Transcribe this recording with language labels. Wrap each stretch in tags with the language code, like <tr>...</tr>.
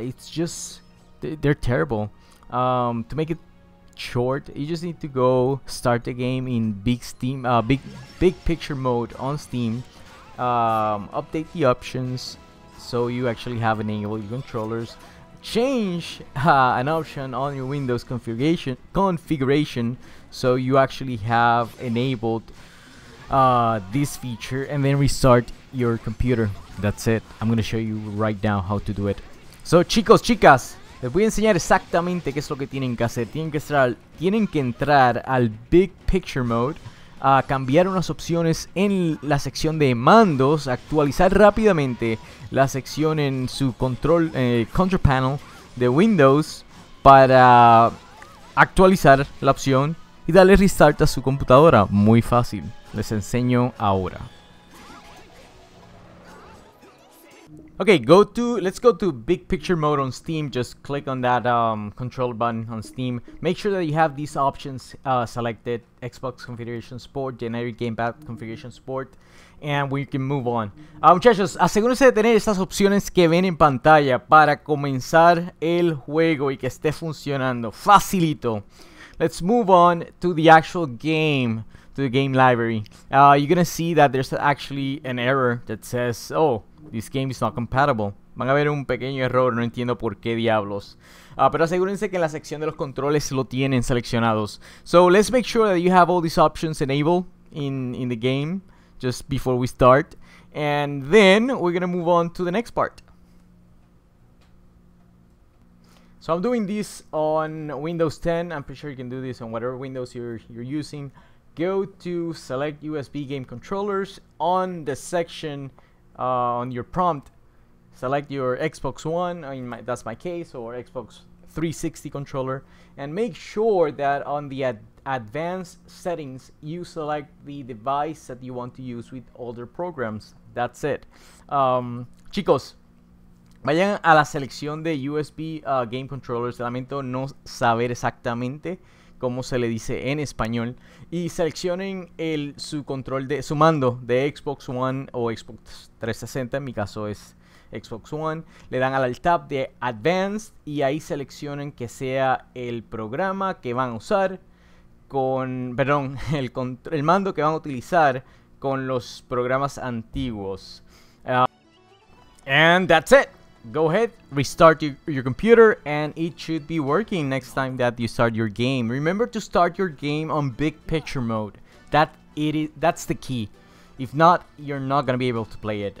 <en>It's just, they're terrible. To make it short, you just need to go start the game in big picture mode on Steam, update the options so you actually have enabled your controllers, change an option on your Windows configuration so you actually have enabled this feature, and then restart your computer. That's it. I'm gonna show you right now how to do it.</en> <es>So chicos, chicas, les voy a enseñar exactamente qué es lo que tienen que hacer. Tienen que entrar al Big Picture Mode, a cambiar unas opciones en la sección de mandos, actualizar rápidamente la sección en su control panel de Windows para actualizar la opción y darle restart a su computadora. Muy fácil. Les enseño ahora.</es> <en>Okay, let's go to Big Picture Mode on Steam. Just click on that control button on Steam. Make sure that you have these options selected: Xbox configuration support, generic gamepad configuration support, and we can move on.</en> <es>Muchachos, asegúrense de tener estas opciones que ven en pantalla para comenzar el juego y que esté funcionando. Facilito.</es> <en>Let's move on to the actual game, to the game library. You're gonna see that there's actually an error that says, oh, this game is not compatible.</en> <es>Van a ver un pequeño error, no entiendo por qué diablos. Pero asegúrense que en la sección de los controles lo tienen seleccionados.</es> <en>So let's make sure that you have all these options enabled in the game just before we start. And then we're gonna move on to the next part. So I'm doing this on Windows 10. I'm pretty sure you can do this on whatever Windows you're using. Go to select USB game controllers on the section on your prompt, select your Xbox One, that's my case, or Xbox 360 controller, and make sure that on the advanced settings, you select the device that you want to use with older programs. That's it.</en> <es>Chicos, vayan a la selección de USB game controllers. Lamento no saber exactamente cómo se le dice en español, y seleccionen su mando de Xbox One o Xbox 360, en mi caso es Xbox One. Le dan al tab de Advanced y ahí seleccionen que sea el programa que van a usar el mando que van a utilizar con los programas antiguos.</es> <en>And that's it. Go ahead, restart your computer, and it should be working next time that you start your game. Remember to start your game on big picture mode. That's the key. If not, you're not going to be able to play it.</en>